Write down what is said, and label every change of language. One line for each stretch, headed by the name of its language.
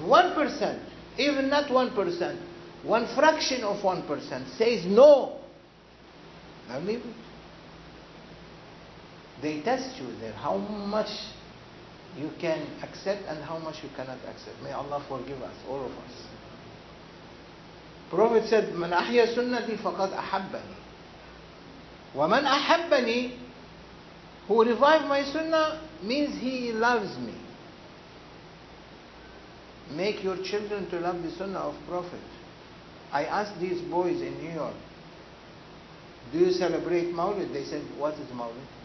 English: 1%, even not 1%, one fraction of 1% says no, then leave it. They test you there, how much you can accept and how much you cannot accept. May Allah forgive us, all of us. Prophet said,
Arabic: من أحيى سنتي فقد أحبني ومن أحبني.
English: Who revived my sunnah means he loves me. Make your children to love the sunnah of Prophet. I asked these boys in New York, do you celebrate Maulid? They said, what is Maulid?